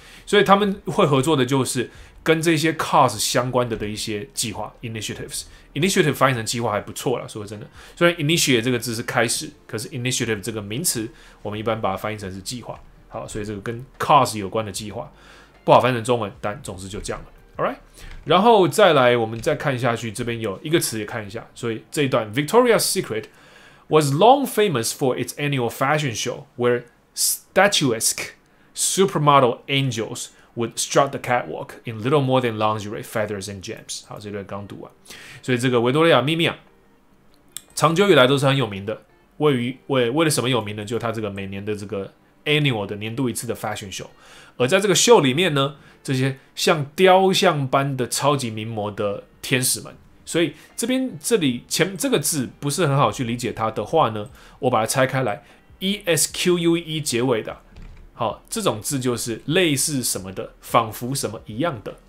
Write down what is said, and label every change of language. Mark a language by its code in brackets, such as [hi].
[zh] 所以他们会合作的就是跟这些 cause 相关的一些计划 initiatives。 initiative 翻译成计划还不错啦，说真的，虽然 initiate 这个字是开始，可是 initiative 这个名词我们一般把它翻译成是计划。好，所以这个跟 cause 有关的计划不好翻成中文，但总之就这样了。 [en] All right， [zh] 然后再来，我们再看下去，这边有一个词也看一下。所以这一段 [en] ，Victoria's Secret was long famous for its annual fashion show, where statuesque supermodel angels would strut the catwalk in little more than lingerie, feathers, and gems。 [zh] 好，这段刚读完。所以这个维多利亚秘密啊，长久以来都是很有名的。为了什么有名呢？就它这个每年的这个 annual 的年度一次的 fashion show。而在这个秀里面呢，这些像雕像般的超级名模的天使们，所以这边这里前这个字不是很好去理解它的话呢，我把它拆开来 ，esque 结尾的，好，这种字就是类似什么的，仿佛什么一样的。